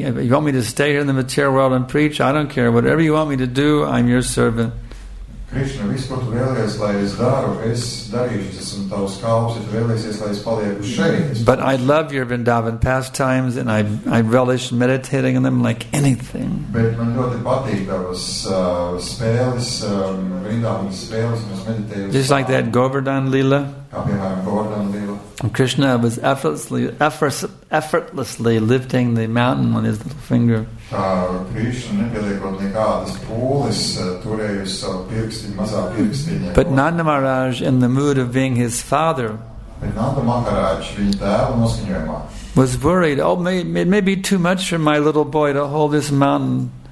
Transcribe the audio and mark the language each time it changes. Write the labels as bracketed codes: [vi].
[en] If you want me to stay here in the material world and preach, I don't care. Whatever you want me to do, I'm your servant. [lv] Krishna, visu, ko tu vēlies, lai es daru, es darīšu, es esmu tavs kalps, ja tu vēlēsies, lai es palieku šeit. [en] But I love your Vrindavan pastimes, and I relish meditating on them like anything. [lv] Bet man ļoti patīk tavas spēles, Vrindavan spēles, un es meditēju. [en] Just like that Govardhan Lila. [lv] Kā piemēram, Govardhan Lila. [en] Krishna was effortlessly lifting the mountain on his little finger. But Nanda Maharaj, in the mood of being his father, was worried, it may be too much for my little boy to hold this mountain.